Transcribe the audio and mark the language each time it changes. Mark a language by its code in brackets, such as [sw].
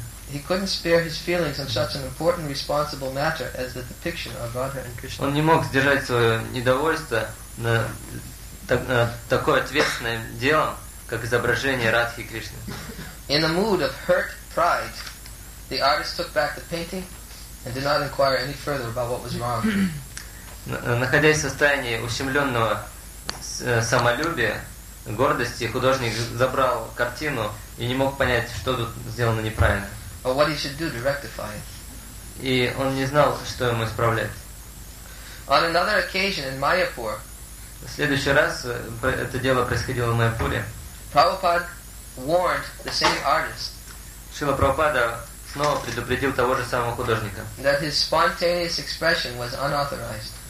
[en] He couldn't spare his feelings on such an important, responsible matter as the depiction of Radha and Krishna. [ru] Он не мог сдержать свое недовольство на такое ответственное дело, как изображение Радхи и Кришны. [en] In a mood of hurt pride, the artist took back the painting and did not inquire any further about what was wrong. [ru] Находясь в состоянии ущемленного самолюбия, гордости, художник забрал картину и не мог понять, что тут сделано неправильно. [en] Or what he should do to rectify it. [ru] И он не знал, что ему исправлять. [en] On another occasion in Mayapur, [ru] в следующий раз это дело происходило в Майяпуре. [en] Prabhupada warned the same artist. [ru] Шрила Прабхупада снова предупредил того же самого художника. [en] That his spontaneous expression was unauthorized.